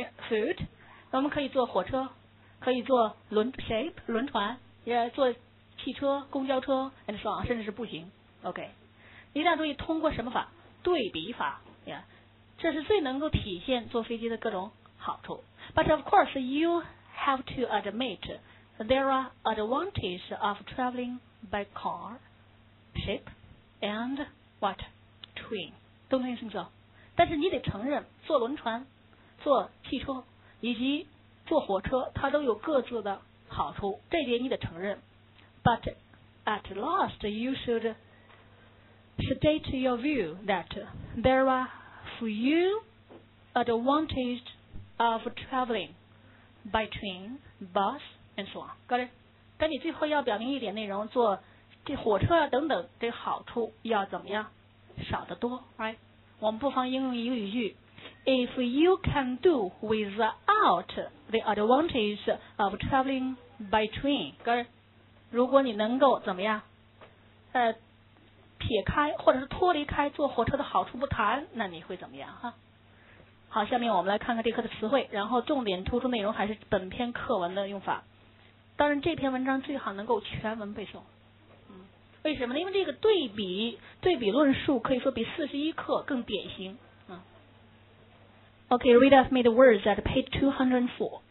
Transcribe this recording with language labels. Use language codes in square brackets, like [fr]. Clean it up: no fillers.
[en] food. [zh] 那我们可以坐火车，可以坐轮船，也、 yeah, 坐汽车、公交车 [en] and so on, [zh] 甚至是步行。 OK, 你一定要注意通过什么法，对比法、yeah. 这是最能够体现坐飞机的各种好处。 [en] But of course you have to admit there are advantages of traveling by car, ship and what? Train, don't you think so? [zh] 但是你得承认坐轮船、坐汽车以及坐火车它都有各自的好处，这点你得承认。 [en] But at last, you should state your view that there are few advantages of traveling by train, bus, and so on. Got it? [zh] 但你最后要表明一点内容，坐这火车啊等等，这好处要怎么样？少得多， right? 我们不妨应用一个语句。 [en] If you can do without the advantages of traveling by train, got it? [zh] 如果你能够怎么样撇开或者是脱离开坐火车的好处不谈，那你会怎么样哈？好，下面我们来看看这课的词汇，然后重点突出内容还是本篇课文的用法。当然这篇文章最好能够全文背诵。嗯，为什么呢？因为这个对比论述可以说比41课更典型。嗯。 [en] Okay, read off me the words at page 205.